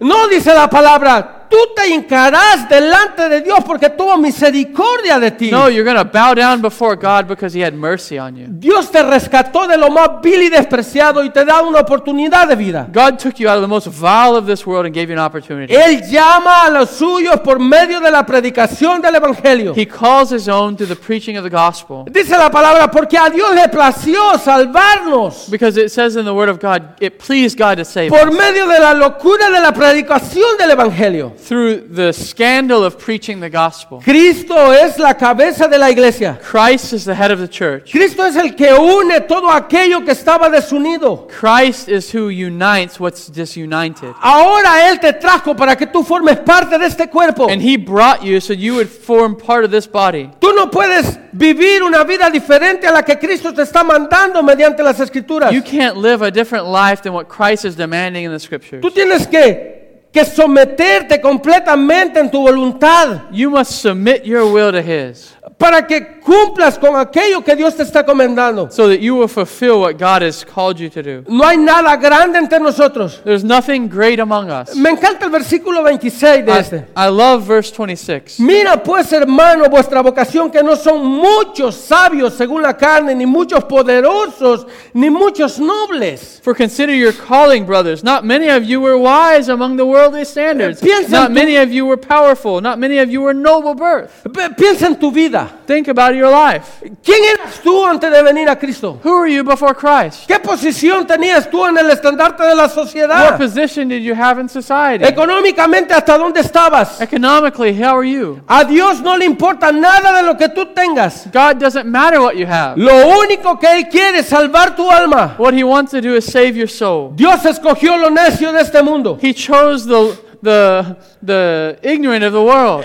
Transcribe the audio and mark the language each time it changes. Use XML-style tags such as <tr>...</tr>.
<es>No, dice la palabra, tú te hincarás delante de Dios porque tuvo misericordia de ti.</es> <en>No, you're going to bow down before God because he had mercy on you.</en> <es>Dios te rescató de lo más vil y despreciado y te da una oportunidad de vida.</es> <en>God took you out of the most vile of this world and gave you an opportunity.</en> <es>Él llama a los suyos por medio de la predicación del evangelio.</es> <en>He calls his own through the preaching of the gospel.</en> <es>Dice la palabra porque a Dios le plació salvarnos.</es> <en>Because it says in the word of God, it pleased God to save us.</en> <es>Por medio de la locura de la predicación del evangelio.</es> <en>Through the scandal of preaching the gospel.</en> <es>Cristo es la cabeza de la iglesia.</es> <en>Christ is the head of the church.</en> <es>Cristo es el que une todo aquello que estaba desunido.</es> <en>Christ is who unites what's disunited.</en> <es>Ahora él te trajo para que tú formes parte de este cuerpo.</es> <en>And he brought you so you would form part of this body.</en> <es>Tú no puedes vivir una vida diferente a la que Cristo te está mandando mediante las escrituras.</es> <en>You can't live a different life than what Christ is demanding in the scriptures.</en> <es>Tú tienes que someterte completamente en tu voluntad.</es> <en>You must submit your will to his.</en> <es>Para que cumplas con aquello que Dios te está comandando.</es> <en>So that you will fulfill what God has called you to do.</en> <es>No hay nada grande entre nosotros.</es> <en>There's nothing great among us.</en> <es>Me encanta el versículo 26 de este.</es> <en>I love verse 26.</en> <es>Mira pues, hermano, vuestra vocación que no son muchos sabios según la carne, ni muchos poderosos, ni muchos nobles.</es> <en>For consider your calling, brothers. Not many of you were wise among the worldly standards. Not many of you were powerful. Not many of you were noble birth.</en> <es>Piensa en tu vida.</es> <en>Think about your life.</en> <es>¿Quién eras tú antes de venir a Cristo?</es> <en>Who were you before Christ?</en> <es>¿Qué posición tenías tú en el estandarte de la sociedad?</es> <en>What position did you have in society?</en> <es>Económicamente, ¿hasta dónde estabas?</es> <en>Economically, how are you?</en> <es>A Dios no le importa nada de lo que tú tengas.</es> <en>God doesn't matter what you have.</en> <es>Lo único que él quiere es salvar tu alma.</es> <en>What he wants to do is save your soul.</en> <es>Dios escogió lo necio de este mundo.</es> <en>He chose the ignorant of the world.</en>